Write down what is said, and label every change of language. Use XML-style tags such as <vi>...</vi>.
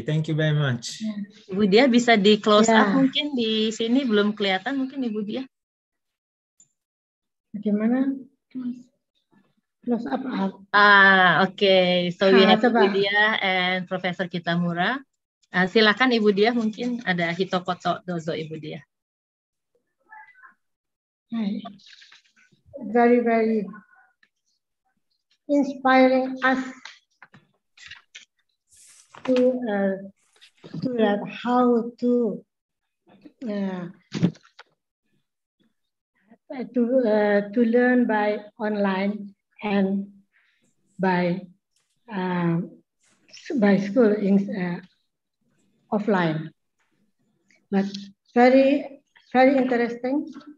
<en>Thank you very much.</en> <id>Ibu Dia bisa di close up mungkin di sini belum kelihatan mungkin Ibu Dia. Bagaimana? Close up.</id> <en>Okay. So we have Ibu Dia and Professor Kitamura.</en> <id>Silakan Ibu Dia mungkin ada</id> <ja>hitokoto dozo</ja> <id>Ibu Dia.</id> <en>Hi. Very very inspiring us to learn how to learn by online and by school in offline, but very very interesting.</en>